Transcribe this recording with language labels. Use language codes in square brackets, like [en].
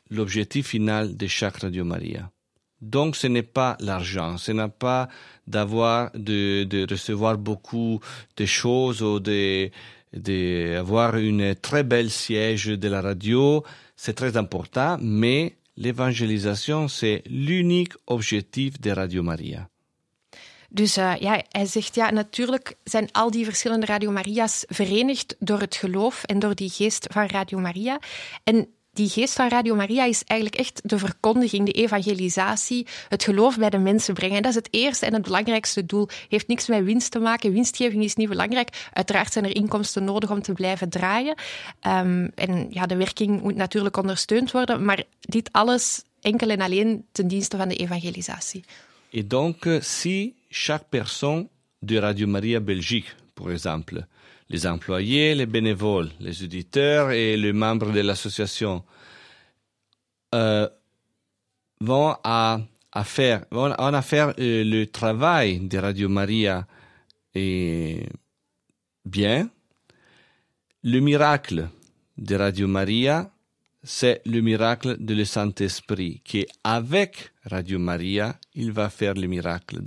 [fr] l'objectif final de chaque Radio Maria. Donc, ce n'est pas l'argent, ce n'est pas de recevoir beaucoup de choses ou d'avoir une très belle siège de la radio. C'est très important, mais L'évangélisation, c'est l'unique objectif de Radio Maria. [nl] Dus ja, hij zegt, ja, natuurlijk zijn al die verschillende Radio Maria's verenigd door het geloof en door die geest van Radio Maria. En die geest van Radio Maria is eigenlijk echt de verkondiging, de evangelisatie, het geloof bij de mensen brengen. En dat is het eerste en het belangrijkste doel. Heeft niks met winst te maken. Winstgeving is niet belangrijk. Uiteraard zijn er inkomsten nodig om te blijven draaien. En ja, de werking moet natuurlijk ondersteund worden. Maar dit alles enkel en alleen ten dienste van de evangelisatie. [fr] En donc, si chaque personne de Radio Maria Belgique, par exemple, les employés, les bénévoles, les auditeurs et les membres de l'association vont faire le travail de Radio Maria et bien, le miracle de Radio Maria, c'est le miracle de le Saint-Esprit qui, avec Radio Maria, il va faire le miracle.